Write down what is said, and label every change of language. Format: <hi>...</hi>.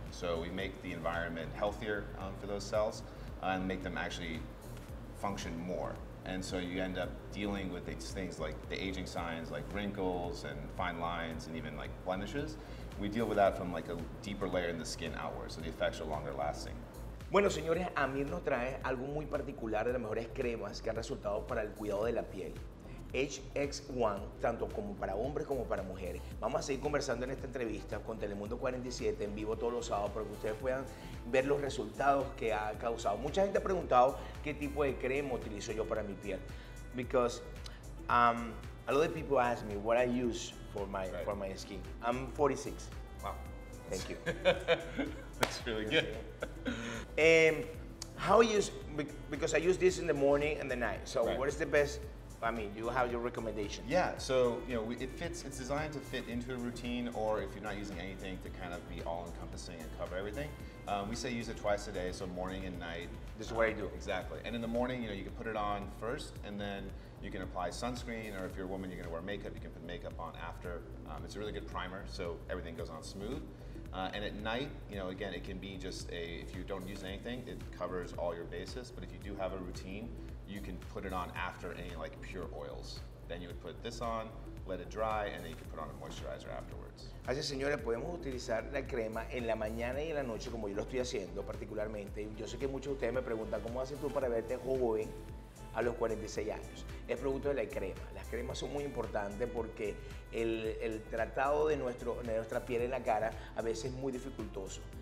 <en>So we make the environment healthier for those cells and make them actually function more. And so you end up dealing with these things like the aging signs, like wrinkles and fine lines and even like blemishes. We deal with that from like a deeper layer in the skin outward, so the effects are longer lasting.</en> <es>Bueno, señores, Amir nos trae algo muy particular de las mejores cremas que han resultado para el cuidado de la piel. HX1, tanto como para hombres como para mujeres. Vamos a seguir conversando en esta entrevista con Telemundo 47 en vivo todos los sábados para que ustedes puedan ver los resultados que ha causado. Mucha gente ha preguntado qué tipo de crema utilizo yo para mi piel.</es> <en>Because a lot of people ask me what I use for my right. for my skin. I'm 46. Wow. Thank you. That's really good. How you use, because I use this in the morning and the night, so right. What is the best, I mean, you have your recommendation? Yeah, so, you know, it's designed to fit into a routine, or if you're not using anything, to kind of be all-encompassing and cover everything. We say use it twice a day, so morning and night. This is what I do. Exactly. And in the morning, you know, you can put it on first, and then you can apply sunscreen, or if you're a woman, you're going to wear makeup, you can put makeup on after. It's a really good primer, so everything goes on smooth. And at night, you know, again, it can be just a, if you don't use anything, it covers all your bases. But if you do have a routine, you can put it on after any, like, pure oils. Then you would put this on, let it dry, and then you can put on a moisturizer afterwards.</en> <es>Así, señores, podemos utilizar la crema en la mañana y en la noche, como yo lo estoy haciendo particularmente. Yo sé que muchos de ustedes me preguntan, ¿cómo haces tú para verte joven a los 46 años? Es producto de la crema. Las cremas son muy importantes porque el tratado de nuestra piel en la cara a veces es muy dificultoso.</es>